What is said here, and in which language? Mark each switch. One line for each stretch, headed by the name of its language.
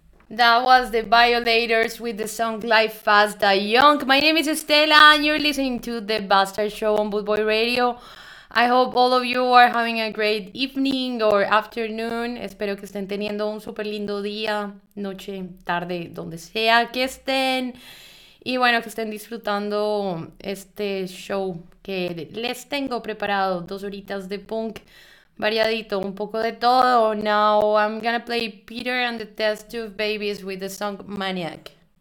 English: That was The Violators with the song Life Fast Die Young. My name is Estela and you're listening to The Bastard Show on Boot Boy Radio. I hope all of you are having a great evening or afternoon.
Spanish: Espero que estén teniendo un super lindo día, noche, tarde, donde sea que estén. Y bueno, que estén disfrutando este show que les tengo preparado. Dos horitas de punk. Variadito, un poco de todo.
English: Now I'm gonna play Peter and the Test Tube Babies with the song Maniac.